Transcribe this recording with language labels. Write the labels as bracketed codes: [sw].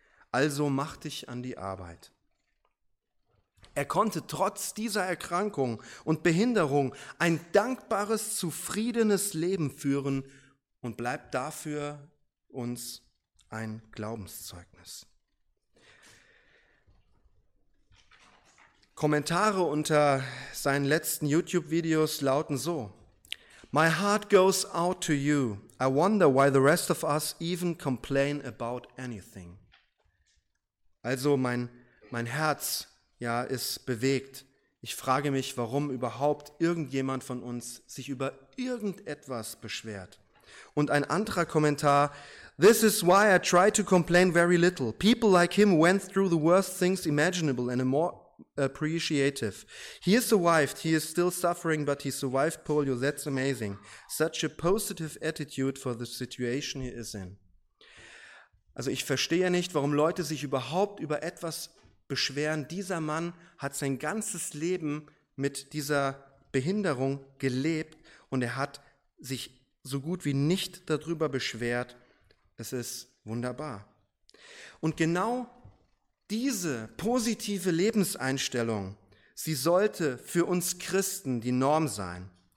[de] Also mach dich an die Arbeit. Er konnte trotz dieser Erkrankung und Behinderung ein dankbares, zufriedenes Leben führen und bleibt dafür uns ein Glaubenszeugnis. Kommentare unter seinen letzten YouTube-Videos lauten so: [en] My heart goes out to you. I wonder why the rest of us even complain about anything. [de] Also mein Herz, ja, ist bewegt. Ich frage mich, warum überhaupt irgendjemand von uns sich über irgendetwas beschwert. Und ein anderer Kommentar: [en] This is why I try to complain very little. People like him went through the worst things imaginable and a more appreciative. He has survived, he is still suffering, but he survived polio, that's amazing. Such a positive attitude for the situation he is in. [de] Also ich verstehe nicht, warum Leute sich überhaupt über etwas beschweren. Dieser Mann hat sein ganzes Leben mit dieser Behinderung gelebt und er hat sich so gut wie nicht darüber beschwert. Es ist wunderbar. Und genau diese positive Lebenseinstellung, sie sollte für uns Christen die Norm sein.